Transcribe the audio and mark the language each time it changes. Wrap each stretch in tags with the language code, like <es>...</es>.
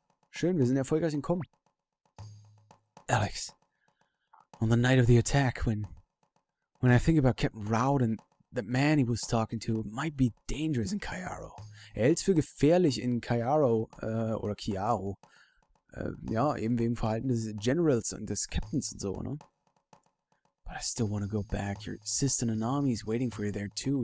<de>Schön, wir sind erfolgreich entkommen.</de> <en>Alex, on the night of the attack, when I think about Captain Rowd and the man he was talking to, it might be dangerous in Kyaro.</en> <de>Er hält es für gefährlich in Kyaro oder Kyaro. Ja, eben wegen Verhalten des Generals und des Captains und so, ne?</de> <en>But I still want to go back. Your sister Nanami is waiting for you there too.</en>